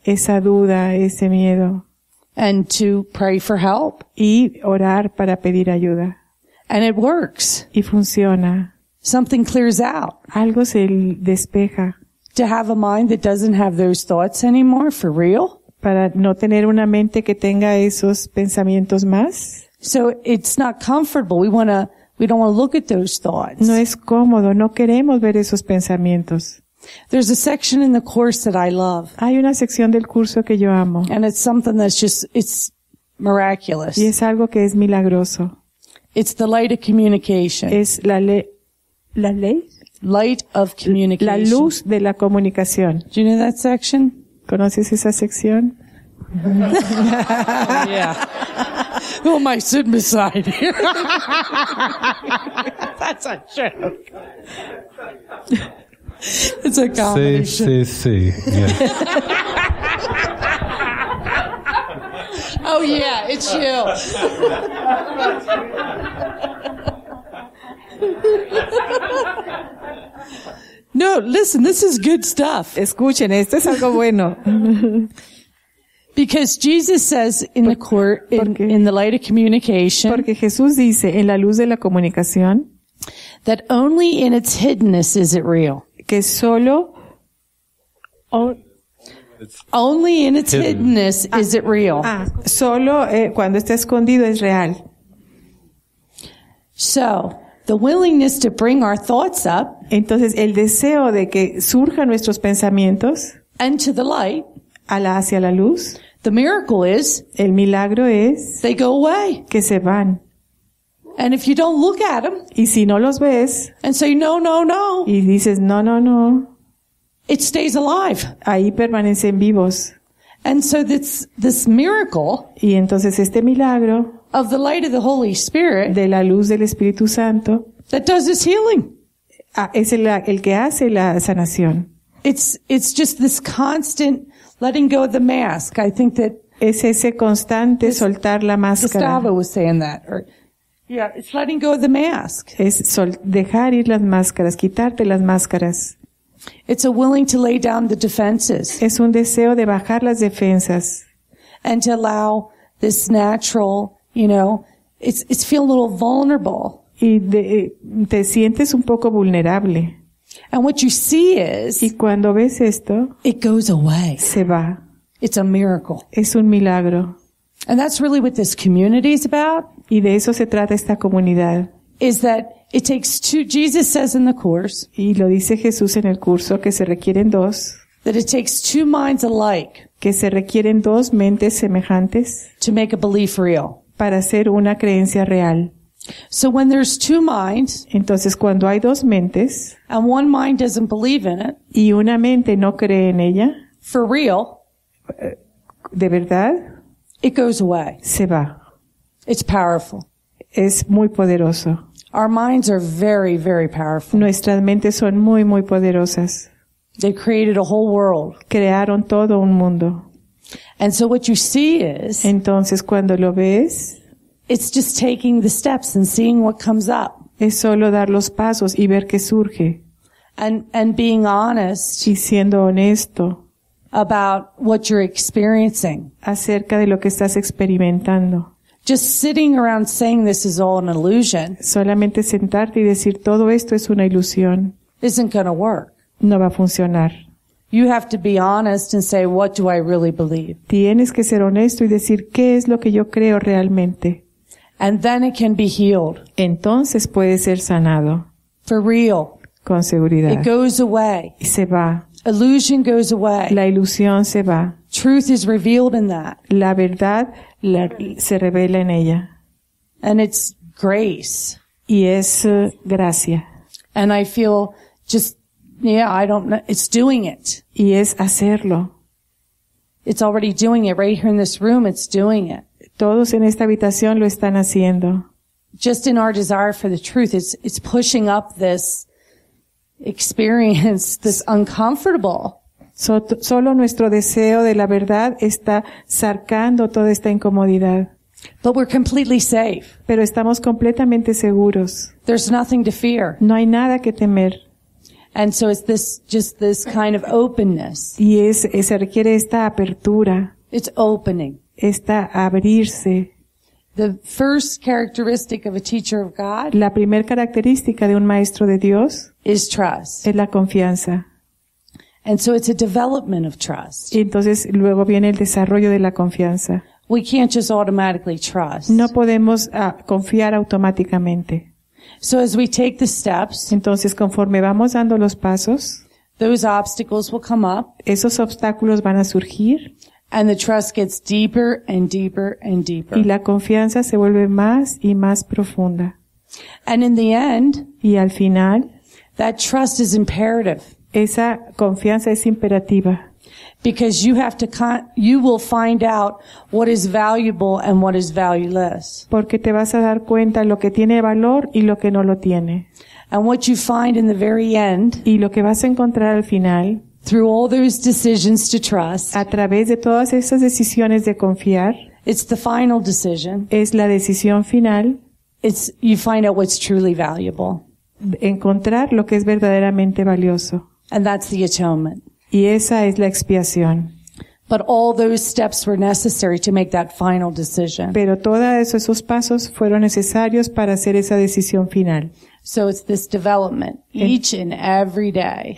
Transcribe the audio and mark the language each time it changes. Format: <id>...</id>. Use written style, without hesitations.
<es>Esa duda, ese miedo.</es> <en>And to pray for help.</en> <es>Y orar para pedir ayuda.</es> <en>And it works.</en> <es>Y funciona.</es> <en>Something clears out.</en> <es>Algo se despeja.</es> <en>To have a mind that doesn't have those thoughts anymore, for real.</en> <es>Para no tener una mente que tenga esos pensamientos más.</es> <en>So it's not comfortable. We don't want to look at those thoughts.</en> <es>No es cómodo. No queremos ver esos pensamientos.</es> <en>There's a section in the course that I love.</en> <es>Hay una sección del curso que yo amo.</es> <en>And it's something that's just, it's miraculous.</en> <es>Y es algo que es milagroso.</es> <en>It's the light of communication.</en> <es>Es la ley?</es> <en>Light of communication.</en> <es>La luz de la comunicación.</es> <en>Do you know that section?</en> <es>¿Conoces esa sección?</es> <en>Oh, yeah. Who am I sitting beside here? That's a joke. It's a comedy.</en> <es>Sí.</es> <en>Yes. Oh, yeah, it's you. No, listen, this is good stuff.</en> <es>Escuchen, esto es algo bueno.</es> <en>Because Jesus says in the court, in the light of communication,</en> <es>porque Jesús dice en la luz de la comunicación,</es> <en>that only in its hiddenness is it real.</en> <es>Que solo,</es> <en>only in its hiddenness is it real.</en> <es>Solo cuando está escondido es real.</es> <en>So, the willingness to bring our thoughts up,</en> <es>entonces el deseo de que surjan nuestros pensamientos,</es> <en>and to the light,</en> <es>hacia la luz.</es> <en>The miracle is,</en> <es>el milagro es,</es> <en>they go away,</en> <es>que se van.</es> <en>And if you don't look at them,</en> <es>y si no los ves,</es> <en>and say no,</en> <es>y dices no,</es> <en>it stays alive,</en> <es>ahí permanecen vivos.</es> <en>And so this miracle,</en> <es>y entonces este milagro,</es> <en>of the light of the Holy Spirit,</en> <es>de la luz del Espíritu Santo,</es> <en>that does this healing,</en> <es>es el que hace la sanación.</es> <en>It's just this constant letting go of the mask. I think that</en> <es>es ese constante soltar la máscara.</es> <en>Gustavo was saying that. It's letting go of the mask.</en> <es>Es dejar ir las máscaras, quitarte las máscaras.</es> <en>It's a willing to lay down the defenses.</en> <es>Es un deseo de bajar las defensas.</es> <en>And to allow this natural, it's feel a little vulnerable.</en> <es>Y te sientes un poco vulnerable.</es> <en>And what you see is,</en> <es>y cuando ves esto,</es> <en>it goes away.</en> <es>Se va.</es> <en>It's a miracle.</en> <es>Es un milagro.</es> <en>And that's really what this community is about.</en> <es>Y de eso se trata esta comunidad.</es> <en>Is that it takes two, Jesus says in the course,</en> <es>y lo dice Jesús en el curso, que se requieren dos,</es> <en>that it takes two minds alike,</en> <es>que se requieren dos mentes semejantes,</es> <en>to make a belief real,</en> <es>para hacer una creencia real.</es> <en>So when there's two minds,</en> <es>entonces cuando hay dos mentes,</es> <en>and one mind doesn't believe in it,</en> <es>y una mente no cree en ella,</es> <en>for real,</en> <es>de verdad,</es> <en>it goes away.</en> <es>Se va.</es> <en>It's powerful.</en> <es>Es muy poderoso.</es> <en>Our minds are very, very powerful.</en> <es>Nuestras mentes son muy, muy poderosas.</es> <en>They created a whole world.</en> <es>Crearon todo un mundo.</es> <en>And so what you see is,</en> <es>entonces cuando lo ves,</es> <en>it's just taking the steps and seeing what comes up.</en> <es>Es solo dar los pasos y ver qué surge.</es> <en>And being honest.</en> <es>Y siendo honesto.</es> <en>About what you're experiencing.</en> <es>Acerca de lo que estás experimentando.</es> <en>Just sitting around saying this is all an illusion.</en> <es>Solamente sentarte y decir todo esto es una ilusión.</es> <en>Isn't going to work.</en> <es>No va a funcionar.</es> <en>You have to be honest and say, what do I really believe?</en> <es>Tienes que ser honesto y decir qué es lo que yo creo realmente.</es> <en>And then it can be healed.</en> <es>Entonces puede ser sanado.</es> <en>For real.</en> <es>Con seguridad.</es> <en>It goes away.</en> <es>Y se va.</es> <en>Illusion goes away.</en> <es>La ilusión se va.</es> <en>Truth is revealed in that.</en> <es>La verdad se revela en ella.</es> <en>And it's grace.</en> <es>Y es gracia.</es> <en>And I feel I don't know. It's doing it.</en> <es>Y es hacerlo.</es> <en>It's already doing it right here in this room. It's doing it.</en> <es>Todos en esta habitación lo están haciendo.</es> <en>Just in our desire for the truth, it's pushing up this experience, this uncomfortable.</en> <es>Solo nuestro deseo de la verdad está sacando toda esta incomodidad.</es> <en>But we're completely safe.</en> <es>Pero estamos completamente seguros.</es> <en>There's nothing to fear.</en> <es>No hay nada que temer.</es> <en>And so it's this kind of openness.</en> <es>Y se requiere esta apertura.</es> <en>It's opening.</en> <es>Esta abrirse.</es> <en>The first characteristic of a teacher of God.</en> <es>La primer característica de un maestro de Dios.</es> <en>Is trust.</en> <es>Es la confianza.</es> <en>And so it's a development of trust.</en> <es>Y entonces luego viene el desarrollo de la confianza.</es> <en>We can't just automatically trust.</en> <es>No podemos confiar automáticamente.</es> <en>So as we take the steps,</en> <es>entonces conforme vamos dando los pasos,</es> <en>those obstacles will come up.</en> <es>Esos obstáculos van a surgir.</es> <en>And the trust gets deeper and deeper and deeper.</en> <es>Y la confianza se vuelve más y más profunda.</es> <en>And in the end,</en> <es>y al final,</es> <en>that trust is imperative.</en> <es>Esa confianza es imperativa.</es> <en>Because you have to, you will find out what is valuable and what is valueless.</en> <es>Porque te vas a dar cuenta lo que tiene valor y lo que no lo tiene.</es> <en>And what you find in the very end,</en> <es>y lo que vas a encontrar al final,</es> <en>through all those decisions to trust,</en> <es>a través de todas esas decisiones de confiar,</es> <en>it's the final decision.</en> <es>Es la decisión final.</es> <en>It's you find out what's truly valuable.</en> <es>Encontrar lo que es verdaderamente valioso.</es> <en>And that's the atonement.</en> <es>Y esa es la expiación.</es> <en>But all those steps were necessary to make that final decision.</en> <es>Pero todos esos pasos fueron necesarios para hacer esa decisión final.</es> <en>So it's this development each and every day.</en>